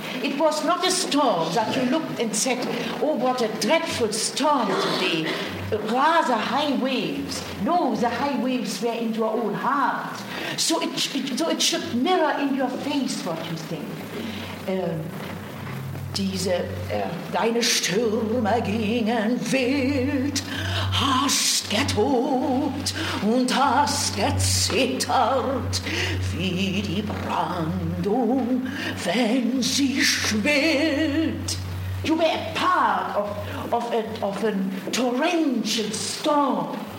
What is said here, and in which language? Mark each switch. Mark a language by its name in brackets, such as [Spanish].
[English] It was not a storm that you looked and said, oh, what a dreadful storm today. Rather high waves. No, the high waves were in your own heart. So it should mirror in your face what you think. [German] diese, deine Stürme gingen wild, hast getobt und hast gezittert, wie die Brandung, wenn sie schwillt. [English] You were a part of a torrential storm.